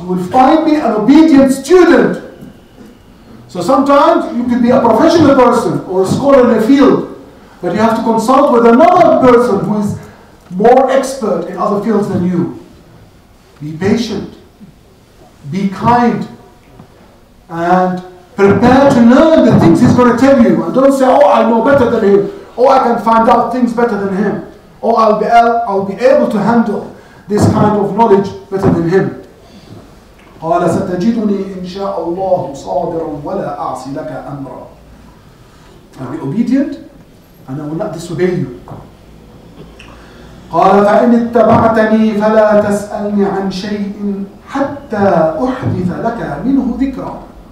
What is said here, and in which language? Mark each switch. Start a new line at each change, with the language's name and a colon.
English: You will find me an obedient student. So sometimes you can be a professional person or a scholar in a field, but you have to consult with another person who is more expert in other fields than you. Be patient. Be kind. And prepare to learn the things he's going to tell you. And don't say, oh, I know better than him. Oh, I can find out things better than him. Oh, I'll be able to handle this kind of knowledge better than him.
Arabic: قال ستجدني إن شاء الله صابرا ولا أعصي لك أمرا.
English: I'll be obedient and I will not disobey you.
Arabic: قال فإن اتبعتني فلا تسألني عن شيء حتى أحدث لك منه ذكرا.